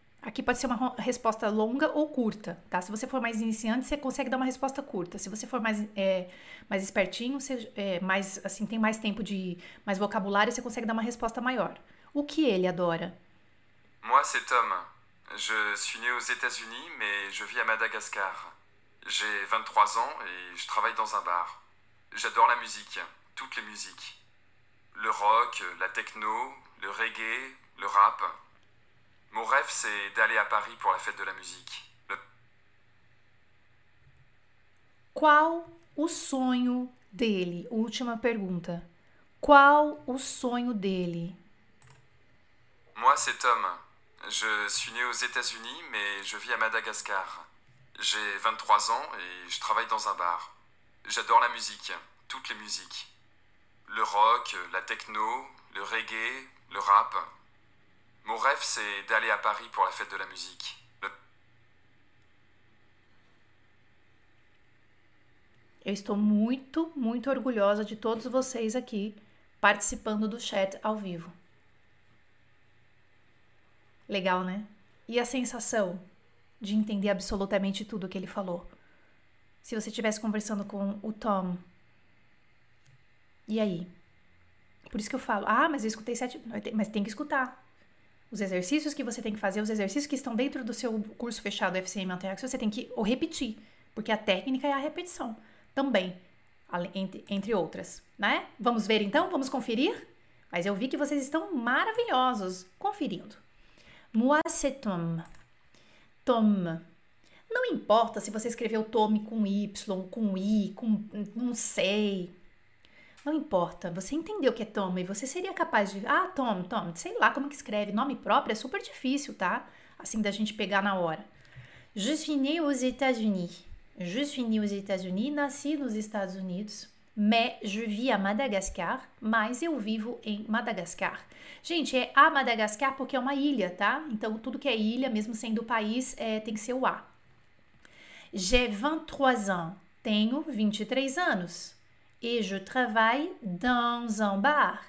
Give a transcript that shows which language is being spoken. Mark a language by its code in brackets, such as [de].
[pt] Aqui pode ser uma resposta longa ou curta, tá? Se você for mais iniciante, você consegue dar uma resposta curta. Se você for mais, mais espertinho, você, mais assim, tem mais tempo de mais vocabulário, você consegue dar uma resposta maior. O que ele adora? [fr] Moi, c'est Tom. Je suis né aux États-Unis, mais je vis à Madagascar. J'ai 23 ans et je travaille dans un bar. J'adore la musique, toutes les musiques. Le rock, la techno, le reggae, le rap. Mon rêve, c'est d'aller à Paris pour la fête de la musique. [pt] Qual o sonho dele? Última pergunta. Qual o sonho dele? [fr] Moi, c'est Tom. Je suis né aux États-Unis, mais je vis à Madagascar. J'ai 23 ans et je travaille dans un bar. J'adore la musique, toutes les musiques. Le rock, la techno, le reggae, le rap. Mon rêve, c'est d'aller à Paris pour la fête de la musique. [pt] Eu estou muito, muito orgulhosa de todos vocês aqui participando do chat ao vivo. Legal, né? E a sensação de entender absolutamente tudo o que ele falou. Se você estivesse conversando com o Tom. E aí? Por isso que eu falo, ah, mas eu escutei sete. Mas tem que escutar. Os exercícios que você tem que fazer, os exercícios que estão dentro do seu curso fechado FCM Antenax, você tem que ou repetir, porque a técnica é a repetição. Também, entre outras, né? Vamos ver então, vamos conferir? Mas eu vi que vocês estão maravilhosos conferindo. [fr] Moi, c'est Tom. [pt] Tom. Não importa se você escreveu Tom com Y, com I, com não sei. Não importa, você entendeu o que é Tom e você seria capaz de. Ah, Tom, Tom, sei lá como que escreve. Nome próprio é super difícil, tá? Assim da gente pegar na hora. [fr] Je suis né aux États-Unis. Je suis né aux États-Unis, [pt] nasci nos Estados Unidos, [fr] mais je vis à Madagascar, [pt] mas eu vivo em Madagascar. Gente, é a Madagascar porque é uma ilha, tá? Então, tudo que é ilha, mesmo sendo país, tem que ser o A. [fr] J'ai 23 ans. [pt] Tenho 23 anos. [fr] Et je travaille dans un bar.